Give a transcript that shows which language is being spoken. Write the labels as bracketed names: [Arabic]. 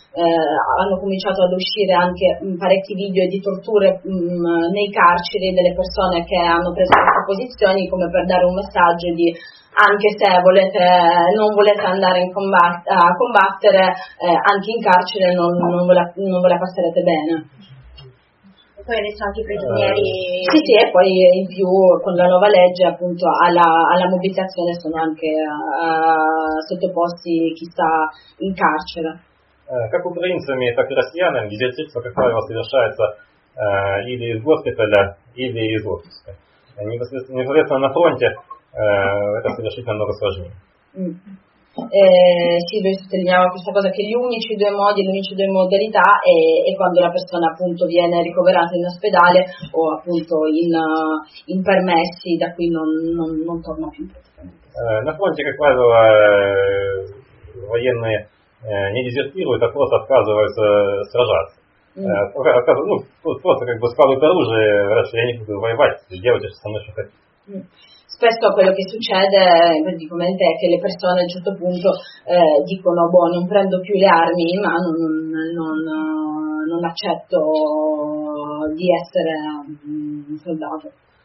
[Italian] hanno cominciato ad uscire anche parecchi video di torture nei carceri delle persone che hanno preso queste posizioni, come per dare un messaggio di anche se non volete andare a combattere, anche in carcere non ve la passerete bene. Poi adesso anche i prigionieri. Sì, e poi in più con la nuova legge, appunto, alla mobilitazione sono anche sottoposti chi sta in carcere. [Russian] Как украинцами, так и россиянами дезертирство, как правило, совершается или из госпиталя, или из отпуска. Непосредственно на фронте это совершить намного сложнее. [Italian] Sì, noi sottolineiamo questa cosa, che le uniche due modalità è quando la persona appunto viene ricoverata in ospedale o appunto in permessi da cui non torna più. [Russian] На фронте, как правило, военные не дезертируют, а просто отказываются сражаться. Просто как бы складывают оружие, раньше я не буду воевать, делайте со мной что хотите. [Italian] Spesso quello che succede, praticamente, è che le persone a un certo punto dicono: boh, non prendo più le armi, ma non accetto di essere un soldato.